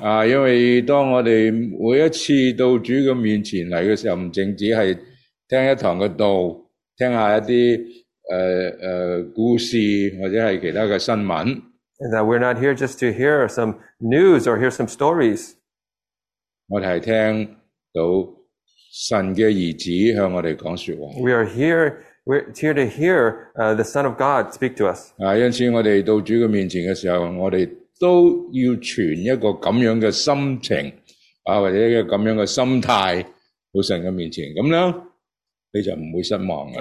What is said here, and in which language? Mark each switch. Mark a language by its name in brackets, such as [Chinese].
[Cantonese] 啊，因为当我哋每一次到主嘅面前嚟嘅时候，唔净止系听一堂嘅道，听下一啲故事或者系其他嘅新闻。 [English] And that we're not here just to hear some news or hear some stories. [Cantonese] 我哋系听到神嘅儿子向我哋讲说话。 [English] We're here to hear the Son of God speak to us. [Cantonese] 因此我哋到主嘅面前嘅时候，我哋都要存一个咁样嘅心情，或者一个咁样嘅心态到神嘅面前，咁咧你就唔会失望嘅。